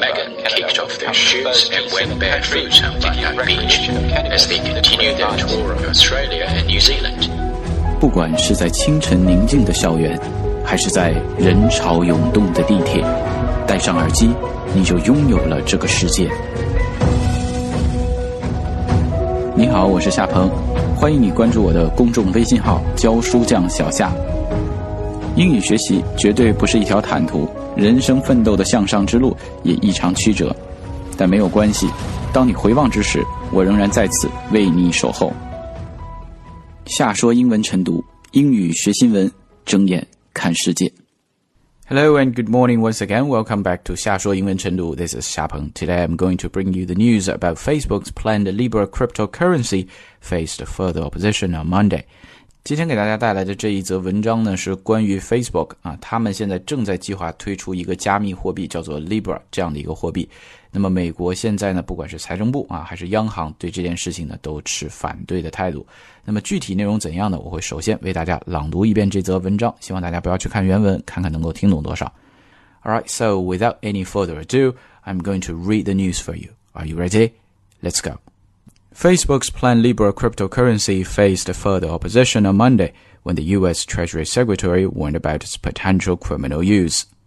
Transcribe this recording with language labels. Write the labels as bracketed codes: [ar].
[en] Megan kicked off their shoots and went barefoot on Bondi Beach as they continued their tour of Australia and New Zealand. [zh] 不管是在清晨宁静的校园，还是在人潮涌动的地铁，戴上耳机，你就拥有了这个世界。你好，我是夏鹏，欢迎你关注我的公众微信号教书匠小夏。英语学习绝对不是一条坦途，人生奋斗的向上之路也异常曲折，但没有关系，当你回望之时，我仍然在此为你守候。夏说英文晨读，英语学新闻，睁眼看世界。 [en] Hello and good morning once again. Welcome back to 夏说英文晨读.This is 夏鹏. Today I'm going to bring you the news about Facebook's planned Libra cryptocurrency faced further opposition on Monday. [zh] 今天给大家带来的这一则文章呢，是关于 Facebook 啊，他们现在正在计划推出一个加密货币，叫做 Libra 这样的一个货币。那么美国现在呢，不管是财政部啊，还是央行，对这件事情呢，都持反对的态度。那么具体内容怎样呢？我会首先为大家朗读一遍这则文章，希望大家不要去看原文，看看能够听懂多少。 [en] Alright, so without any further ado, I'm going to read the news for you. Are you ready? Let's go. Facebook's planned Libra cryptocurrency faced further opposition on Monday when the U.S. Treasury Secretary warned about its potential criminal use.